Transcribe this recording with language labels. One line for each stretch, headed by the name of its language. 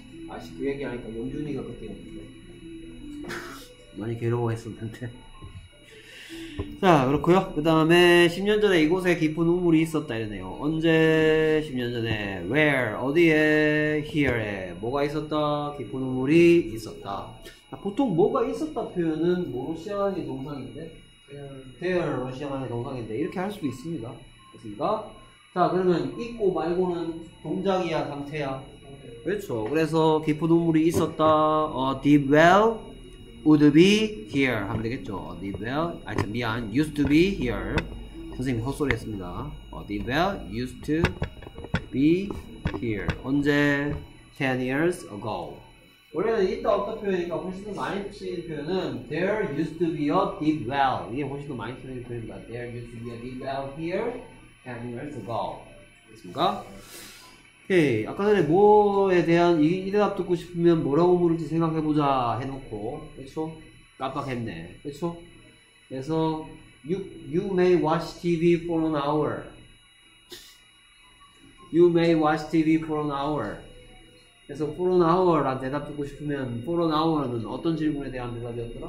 Korean: 아씨 그 얘기하니까 영준이가 그때였는데 많이 괴로워했었는데 자 그렇고요 그 다음에 10년 전에 이곳에 깊은 우물이 있었다 이러네요 언제 10년 전에 where 어디에 here에 뭐가 있었다 깊은 우물이 있었다 자, 보통 뭐가 있었다 표현은 뭐로 시작하는 게 동상인데 there로 시작하는 동상인데 이렇게 할 수도 있습니다 됐습니까 자 그러면 있고 말고는 동작이야 상태야 그렇죠. 그래서 깊은 우물이 있었다.
English: A deep well would be here
Korean: 하면 되겠죠.
English: A deep well,
Korean: 아니, 미안,
English: used to be here.
Korean: 선생님 헛소리했습니다.
English: A deep well used to be here.
Korean: 언제? 10 years ago. 원래는 있다 없다 표현이니까 훨씬 더 많이 쓰이는 표현은
English: There used to be a deep well.
Korean: 이게 훨씬 더 많이 쓰이는 표현입니다.
English: There used to be a deep well here 10 years ago.
Korean: 됐습니까? 오케이 아까 전에 뭐에 대한 이 대답 듣고 싶으면 뭐라고 물을지 생각해보자 해놓고 그쵸? 깜빡했네 그쵸? 그래서
English: you may watch TV for an hour
Korean: you may watch TV for an hour 그래서 for an hour란 대답 듣고 싶으면 for an hour는 어떤 질문에 대한 대답이었더라?